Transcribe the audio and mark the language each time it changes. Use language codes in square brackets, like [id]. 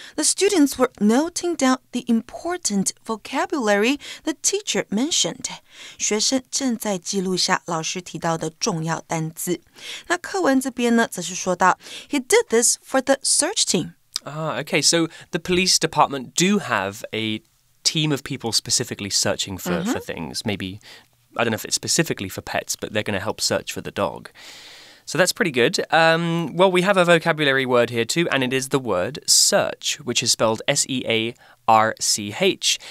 [en] The students were noting down the important vocabulary the teacher mentioned. [zh] 学生正在记录下老师提到的重要单字。那课文这边呢则是说到 [en] He did this for the search team. Ah, okay, so the police department do have a team of people specifically searching for things. Maybe, I don't know if it's specifically for pets, but they're going to help search for the dog. So that's pretty good. Well, we have a vocabulary word here too, and it is the word search, which is spelled S-E-A-R-C-H.